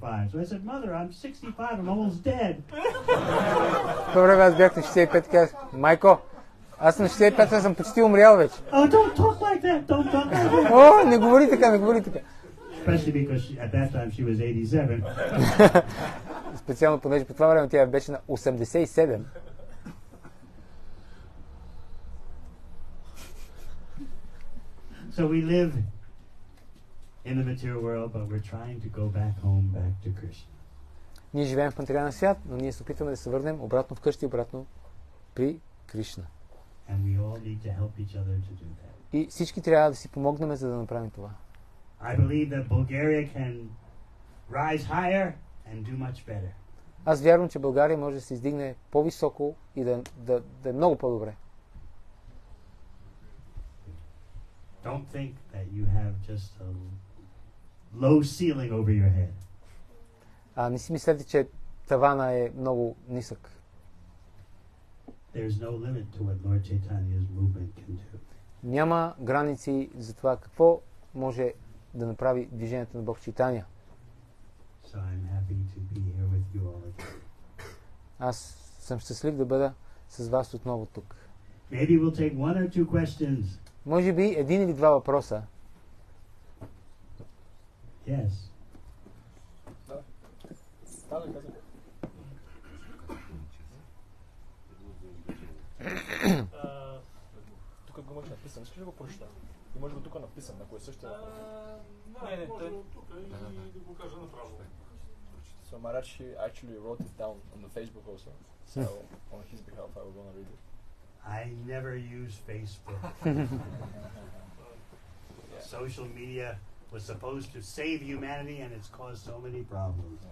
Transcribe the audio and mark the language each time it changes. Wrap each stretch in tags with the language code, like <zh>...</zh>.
<en>So I said, "Mother, I'm 65, I'm almost dead."</en> <bg>Добре, аз бях на 65, казах, майко, аз съм 65, аз съм почти умрял вече.</bg> <en>Oh, don't talk like that, don't talk like that.</en> <bg>О, не говори така, не говори така.</bg> <en>Especially because she, at that time she was 87.</en> <bg>Специално понеже по това време тя беше на 87.</bg> <en>So we live in the material world, but we're trying to go back home, back to Krishna.</en> <bg>Ние живеем в материален свят, но ние се опитваме да се върнем обратно вкъщи, обратно при Кришна.</bg> <en>And we all need to help each other to do that.</en> <bg>И всички трябва да си помогнем, за да направим това.</bg> <en>I believe that Bulgaria can rise higher and do much better.</en> <bg>Аз вярвам, че България може да се издигне по-високо и да е много по-добре.</bg> <en>Don't think that you have just a low ceiling over your head.</en> <bg>А не си мислете, че тавана е много нисък.</bg> <en>There's no limit to what Lord Chaitanya's movement can do.</en> <bg>Няма граници за това какво може да направи движението на Бог Чайтания.</bg> <en>So I'm happy to be here with you all again.</en> <bg>Аз съм щастлив да бъда с вас отново тук.</bg> <en>Maybe we'll take one or two questions.</en> <bg>Може би един или два въпроса.</bg> <en>Yes.</en> <bg>Тук го може написан. Искаш ли го прочета? И може го тук написан, ако е същия въпрос. Може го тук и да го кажа направо.</bg> <en>So Marachi actually wrote it down on the Facebook also. So on his behalf I was going to read it. I never use Facebook. Social media was supposed to save humanity and it's caused so many problems.</en>